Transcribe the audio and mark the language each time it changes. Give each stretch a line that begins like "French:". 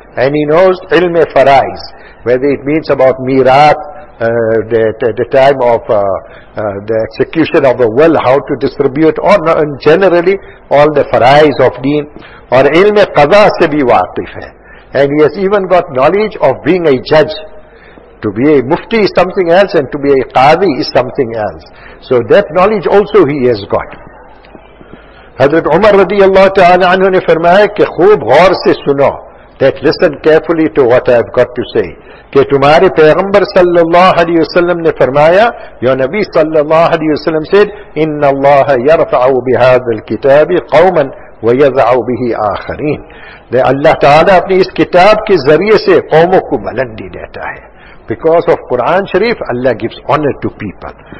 English: And he knows ilm-e farais. Whether it means about mirat, the time of the execution of the will, how to distribute, or and generally all the farais of deen, or
Urdu: ilm qaza se bhi waqif hai,
English: and he has even got knowledge of being a judge. To be a mufti is something else, and to be a qadi is something else. So that knowledge also he has got. Hazrat Umar radiallahu ta'ala anhu
Urdu: ne firmaya ke khub ghor se suno,
English: that listen carefully to what I've got to say.
Urdu: کہ تمہارے پیغمبر صلی اللہ علیہ وسلم نے فرمایا, یا نبی صلی اللہ علیہ وسلم
English: said,
Arabic: ان اللہ یرفع بهذا الكتاب قوما ویضع به آخرین.
Urdu: اللہ تعالیٰ اپنی اس کتاب کے ذریعے سے قوموں کو بلندی دیتا ہے.
English: because of Quran Sharif, Allah gives honor to people.